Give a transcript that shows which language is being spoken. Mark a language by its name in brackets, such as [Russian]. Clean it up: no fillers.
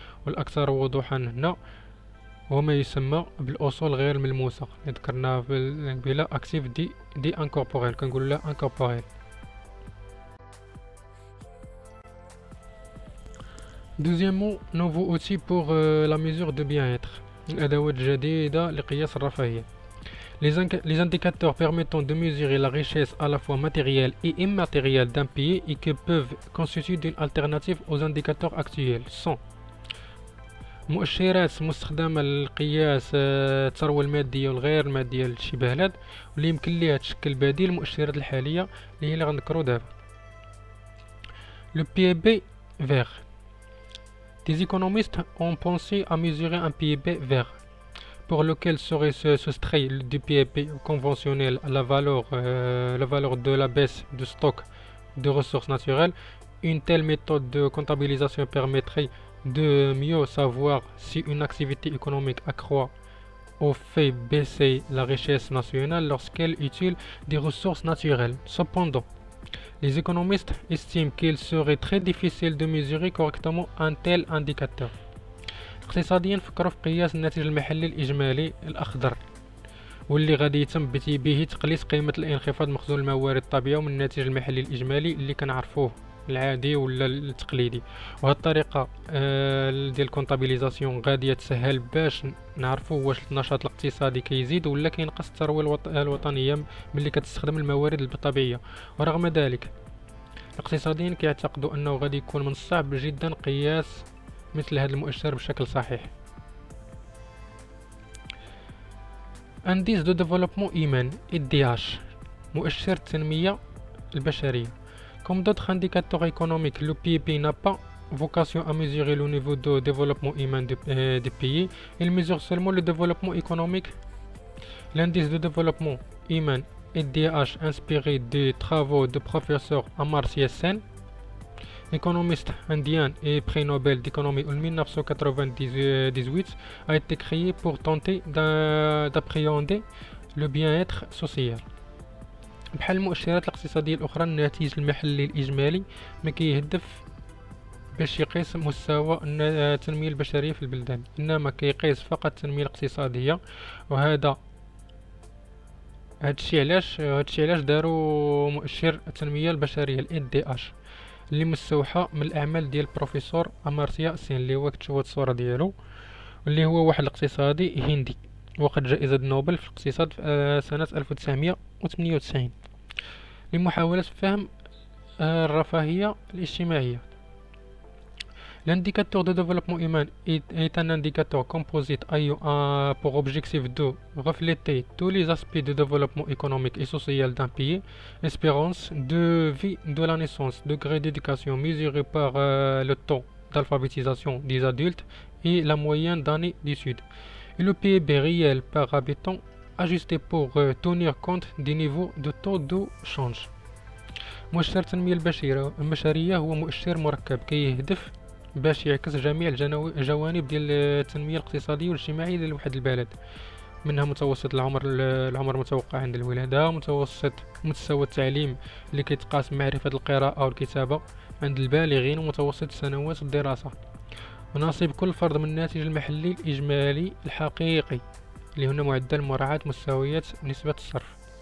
[Arabic] والأكثر وضوحا هنا وما يسمى بالاصول غير الملموسه اللي ذكرناها [French] بلا اكتيف دي انكوربوريل، [Arabic] كنقول لها انكوربوريل. [French] دوزيامو نوفو اوتي بور لا ميزور دو بيان اتر، [Arabic] الادوات الجديده لقياس الرفاهيه. [French] Les indicateurs permettant de mesurer la richesse à la fois matérielle et immatérielle d'un pays et qui peuvent constituer une alternative aux indicateurs actuels sont [Arabic] مؤشرات مستخدمة لقياس الثروة المادية والغير المادية لشي بلد واللي يمكن ليها تشكل بديل المؤشرات الحالية اللي هي اللي غنذكرو دابا. [French] لو بي بي فيغ، des économistes ont pensé à mesurer un PIB vert pour lequel serait soustrait du PIB conventionnel la valeur de la baisse de stock de ressources naturelles. Une telle méthode de comptabilisation permettrait de mieux savoir si une activité économique accroît ou fait baisser la richesse nationale lorsqu'elle utilise des ressources naturelles. Cependant, les économistes estiment qu'il serait très difficile de mesurer correctement un tel indicateur. [Arabic] اقتصاديين فكروا في قياس الناتج المحلي الإجمالي الأخضر واللي غادي يتم به تقليص قيمة الانخفاض مخزون الموارد الطبيعية من الناتج المحلي الإجمالي اللي كنعرفوه العادي ولا التقليدي. وهذه الطريقة ديال الكونتابيليزاسيون غادي تسهل باش نعرفوا واش النشاط الاقتصادي كيزيد ولا كينقص الثروة الوطنية ملي كتستخدم الموارد الطبيعية. ورغم ذلك الاقتصاديين كيعتقدوا انه غادي يكون من الصعب جدا قياس مثل هذا المؤشر بشكل صحيح. [French] انديس دو ديفلوبمون ايمان الدياش، [Arabic] مؤشر التنمية البشرية. [French] Comme d'autres indicateurs économiques, le PIB n'a pas vocation à mesurer le niveau de développement humain du pays. Il mesure seulement le développement économique. L'indice de développement humain, IDH, inspiré des travaux du professeur Amartya Sen, économiste indien et prix Nobel d'économie en 1998, a été créé pour tenter d'appréhender le bien-être social. [Arabic] بحال المؤشرات الاقتصادية الأخرى، الناتج المحلي الإجمالي ما كيهدف باش يقيس مستوى التنمية البشرية في البلدان، إنما كيقيس فقط التنمية الاقتصادية. وهذا هادشي علاش داروا مؤشر التنمية البشرية الـ IDH اللي مستوحى من الأعمال ديال البروفيسور أمارتيا سين اللي هو كتشوفوا الصورة ديالو، واللي هو واحد الاقتصادي هندي واخد جائزة نوبل في الاقتصاد في سنة 1998 لمحاولة فهم الرفاهية الاجتماعية. [French] L'indicateur de développement humain est un indicateur composite ayant pour objectif de refléter tous les aspects de développement économique et social d'un pays. Espérance de vie de la naissance, degré d'éducation mesuré par le temps d'alphabétisation des adultes et la moyenne d'années d'études. Et le PIB réel par habitant ajusté pour tenir compte des niveaux de taux de change. [Arabic] مؤشر التنمية البشرية هو مؤشر مركب كيهدف باش يعكس جميع الجوانب ديال التنمية الاقتصادية والاجتماعية لواحد البلد، منها متوسط العمر، المتوقع عند الولادة، متوسط مستوى التعليم اللي كيتقاس معرفة القراءة والكتابة عند البالغين، ومتوسط سنوات الدراسة، وناصيب كل فرد من الناتج المحلي الإجمالي الحقيقي اللي هنا معدل مراعاة مستويات نسبة الصرف.